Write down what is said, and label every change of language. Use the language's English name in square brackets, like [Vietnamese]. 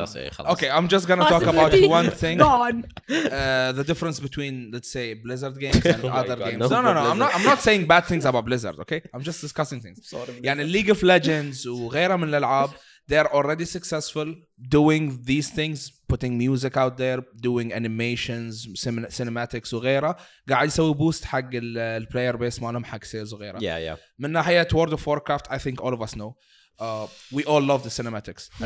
[English] That's it, [Arabic] خلاص. [English] Okay, I'm just gonna talk about one thing. The difference between, let's say, Blizzard games and other God, games. No. I'm not saying bad things about Blizzard. Okay, I'm just discussing things. Sorry. [Arabic] يعني League of Legends وغيره من الألعاب. [English] They're already successful doing these things, putting music out there, doing animations, cinematics [Arabic] وغيره. قاعد يسوي boost حق ال player base مالهم حق sales وغيره. [English] Yeah. [Arabic] من ناحية [English] World of Warcraft, I think all of us know. We all love the cinematics. Yeah.